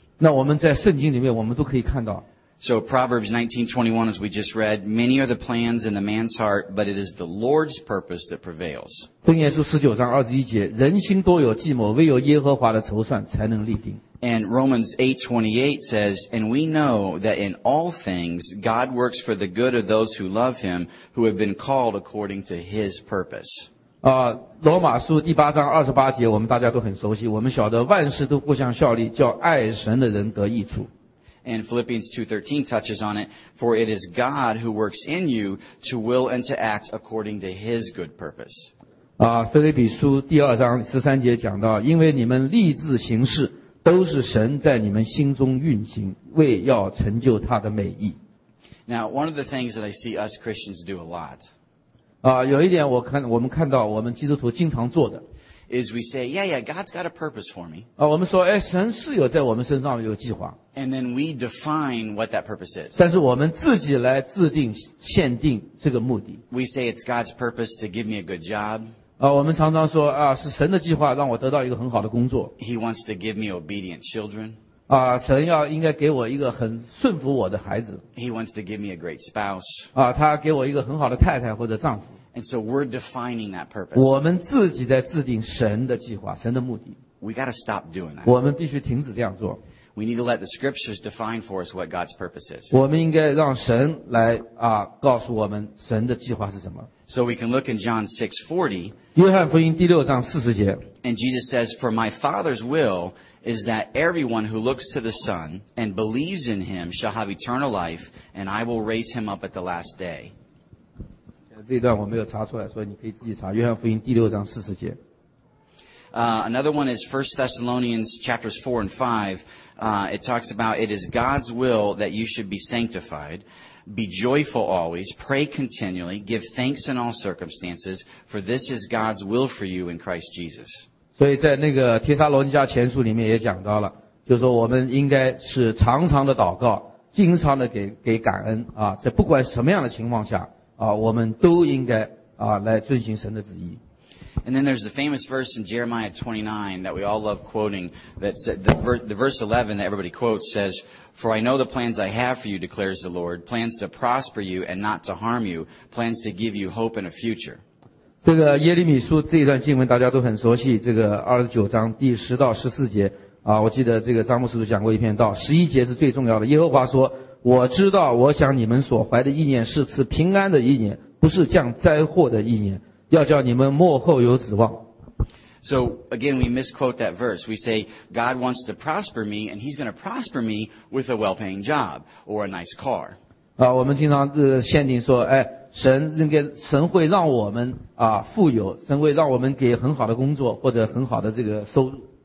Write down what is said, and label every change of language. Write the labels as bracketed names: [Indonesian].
[Chinese] 那我们在圣经里面我们都可以看到。 [English] So Proverbs 19:21, as we just read, many are the plans in the man's heart, but it is the Lord's purpose that prevails. [Chinese] 箴言书19章21节，人心多有计谋，唯有耶和华的筹算才能立定。 [English] And Romans 8:28 says, and we know that in all things, God works for the good of those who love him, who have been called according to his purpose. [Chinese] 罗马书第八章二十八节，我们大家都很熟悉，我们晓得万事都互相效力，叫爱神的人得益处。 [English] And Philippians 2:13 touches on it, for it is God who works in you to will and to act according to his good purpose. [Chinese] 腓立比书第二章十三节讲到，因为你们立志行事，都是神在你们心中运行，为要成就他的美意。 [English] Now, one of the things that I see us Christians do a lot. [Chinese] 有一点我们看到我们基督徒经常做的。 [English] Is we say, yeah, God's got a purpose for me. [Chinese] 我们说，哎，神是有在我们身上有计划。 [English] And then we define what that purpose is. [Chinese] 但是我们自己来制定、限定这个目的。 [English] We say it's God's purpose to give me a good job. [Chinese] 我们常常说啊，是神的计划让我得到一个很好的工作。 [English] He wants to give me obedient children. [Chinese] 神要应该给我一个很顺服我的孩子。 [English] He wants to give me a great spouse. [Chinese] 他给我一个很好的太太或者丈夫。 [English] And so we're defining that purpose. [Chinese] 我们自己在制定神的计划、神的目的。 [English] We got to stop doing that. [Chinese] 我们必须停止这样做。 [English] We need to let the scriptures define for us what God's purpose is. [Chinese] 我们应该让神来告诉我们神的计划是什么。 [English] So we can look in John 6:40. [Chinese] 约翰福音第六章四十节。 [English] And Jesus says, "For my Father's will is that everyone who looks to the Son and believes in Him shall have eternal life, and I will raise him up at the last day." [Chinese] 这一段我没有查出来，所以你可以自己查。约翰福音第六章四十节。 [English] Another one is 1 Thessalonians chapters 4 and 5. It talks about, it is God's will that you should be sanctified. Be joyful always. Pray continually. Give thanks in all circumstances. For this is God's will for you in Christ Jesus. [Chinese] 所以在那个帖撒罗尼迦前书里面也讲到了，就是说我们应该是常常的祷告，经常的给感恩啊，在不管什么样的情况下啊，我们都应该啊来遵循神的旨意。 [English] And then there's the famous verse in Jeremiah 29 that we all love quoting, that said, the verse 11 that everybody quotes says, For I know the plans I have for you, declares the Lord, plans to prosper you and not to harm you, plans to give you hope and a future. [Chinese] 这个耶利米书这一段经文大家都很熟悉，这个29章第10到14节啊，我记得这个张牧师讲过一篇道，11节是最重要的，耶和华说，我知道我想你们所怀的意念是赐平安的意念，不是降灾祸的意念。要叫你们末后有指望。 [English] So again, we misquote that verse. We say God wants to prosper me, and He's going to prosper me with a well-paying job or a nice car. [Chinese] 我们经常限定说，哎，神应该神会让我们富有，神会让我们给很好的工作或者很好的这个收入。